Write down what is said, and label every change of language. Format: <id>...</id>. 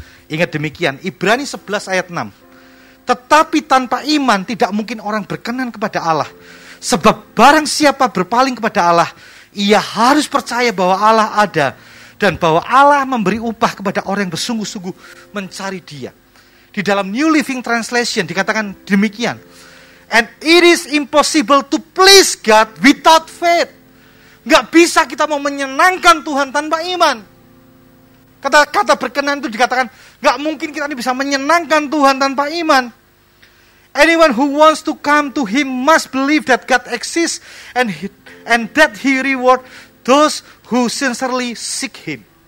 <id>Ingat demikian, Ibrani 11 ayat 6. Tetapi tanpa iman tidak mungkin orang berkenan kepada Allah. Sebab barang siapa berpaling kepada Allah, ia harus percaya bahwa Allah ada. Dan bahwa Allah memberi upah kepada orang yang bersungguh-sungguh mencari dia. Di dalam New Living Translation dikatakan demikian.</id> <en>And it is impossible to please God without faith.</en> <id>Gak bisa kita mau menyenangkan Tuhan tanpa iman. Kata-kata berkenan itu dikatakan, gak mungkin kita ini bisa menyenangkan Tuhan tanpa iman.</id> <en>Anyone who wants to come to him must believe that God exists and that he reward those who sincerely seek him.</en>